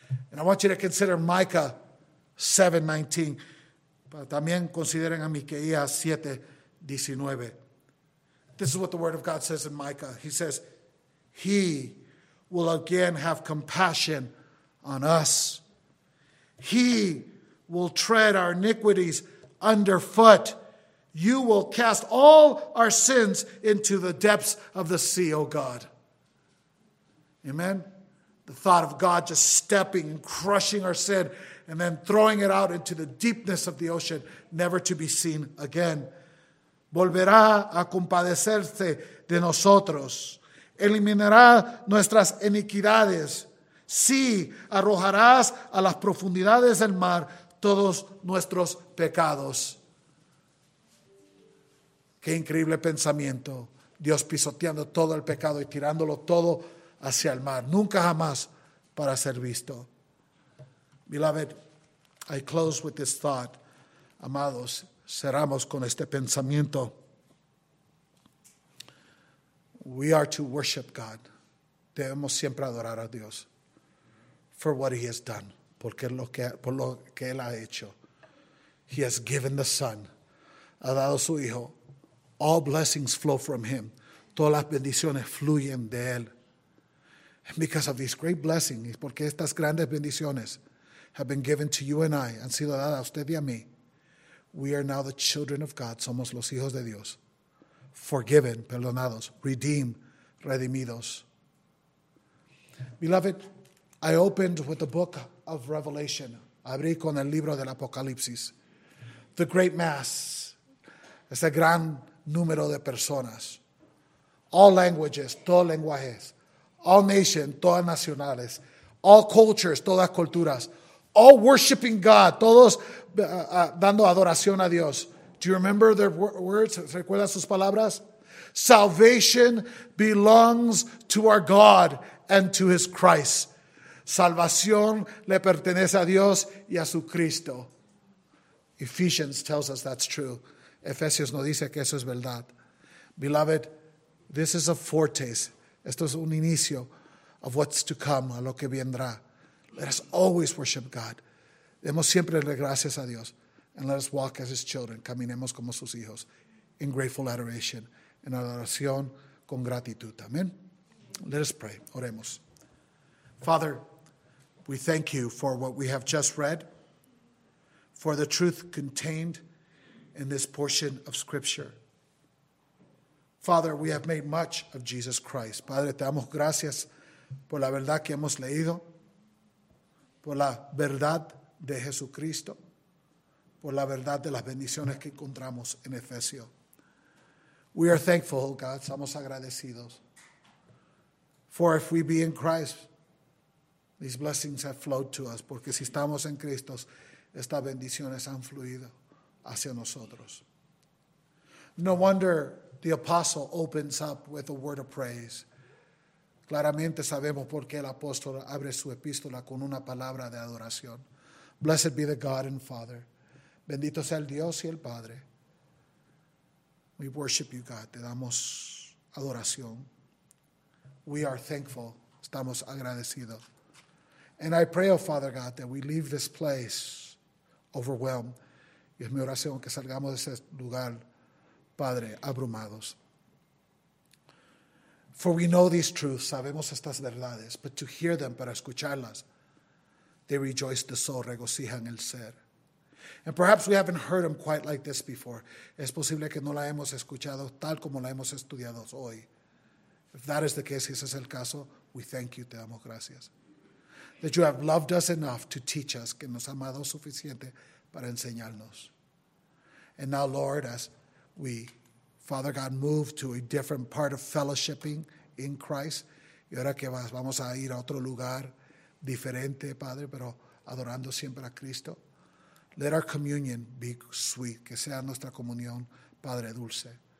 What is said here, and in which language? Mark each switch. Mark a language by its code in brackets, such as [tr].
[en] And I want you to consider Micah 7:19. [es] Pero también consideren a Miqueías 7:19. [en] This is what the word of God says in Micah. He says, he will again have compassion on us. He will tread our iniquities underfoot. You will cast all our sins into the depths of the sea, O God. Amen. The thought of God just stepping and crushing our sin and then throwing it out into the deepness of the ocean, never to be seen again. [es] Volverá a compadecerse de nosotros. Eliminará nuestras iniquidades. Sí, arrojarás a las profundidades del mar todos nuestros pecados. Qué increíble pensamiento. Dios pisoteando todo el pecado y tirándolo todo hacia el mar. Nunca jamás para ser visto. [en] Beloved, I close with this thought. [es] Amados, cerramos con este pensamiento. [en] We are to worship God. [es] Debemos siempre adorar a Dios. [en] For what he has done. [es] Por lo que él ha hecho. [en] He has given the Son. [es] Ha dado su Hijo. [en] All blessings flow from him. [es] Todas las bendiciones fluyen de él. [en] And because of these great blessings. [es] Porque estas grandes bendiciones. [en] Have been given to you and I. [es] Han sido dadas a usted y a mí. [en] We are now the children of God. [es] Somos los hijos de Dios. [en] Forgiven, [es] perdonados. [en] Redeemed, redimidos. Beloved, I opened with the book of Revelation. [es] Abrí con el libro del Apocalipsis. [en] The great mass. [es] Ese gran número de personas. [en] All languages, [es] todos lenguajes. [en] All nations, [es] todas nacionales. [en] All cultures, [es] todas culturas. [en] All worshiping God, [es] todos dando adoración a Dios. [en] Do you remember their words? [es] ¿Recuerdas sus palabras? [en] Salvation belongs to our God and to his Christ. [es] Salvación le pertenece a Dios y a su Cristo. [en] Ephesians tells us that's true. [es] Efesios nos dice que eso es verdad. [en] Beloved, this is a foretaste. [es] Esto es un inicio [en] of what's to come, [es] a lo que vendrá. [en] Let us always worship God. [es] Demos siempre gracias a Dios. [en] And let us walk as his children. [es] Caminemos como sus hijos. [en] In grateful adoration. [es] En adoración con gratitud. [en] Amen. Let us pray. [es] Oremos. [en] Father, we thank you for what we have just read, for the truth contained in this portion of Scripture. Father, we have made much of Jesus Christ. [es] Padre, te damos gracias por la verdad que hemos leído, por la verdad de Jesucristo, por la verdad de las bendiciones que encontramos en Efesios. [en] We are thankful, God. [es] Somos agradecidos. [en] For if we be in Christ, these blessings have flowed to us. [es] Porque si estamos en Cristo, estas bendiciones han fluido hacia nosotros. [en] No wonder the apostle opens up with a word of praise. [es] Claramente sabemos por qué el apóstol abre su epístola con una palabra de adoración. [en] Blessed be the God and Father. [es] Bendito sea el Dios y el Padre. [en] We worship you, God. [es] Te damos adoración. [en] We are thankful. [es] Estamos agradecidos. [en] And I pray, oh Father God, that we leave this place overwhelmed. [es] Y es mi oración que salgamos de ese lugar, Padre, abrumados. [en] For we know these truths, [es] sabemos estas verdades, [en] but to hear them, [es] para escucharlas, [en] they rejoice the soul, [es] regocijan el ser. [en] And perhaps we haven't heard them quite like this before. [es] Es posible que no la hemos escuchado tal como la hemos estudiado hoy. [en] If that is the case, [es] si ese es el caso, [en] we thank you, [es] te damos gracias. [en] That you have loved us enough to teach us, [es] que nos ha amado suficiente para enseñarnos. [en] And now, Lord, as we, Father God, move to a different part of fellowshipping in Christ, [es] y ahora que vamos a ir a otro lugar diferente, Padre, pero adorando siempre a Cristo, [en] let our communion be sweet, [es] que sea nuestra comunión, Padre dulce.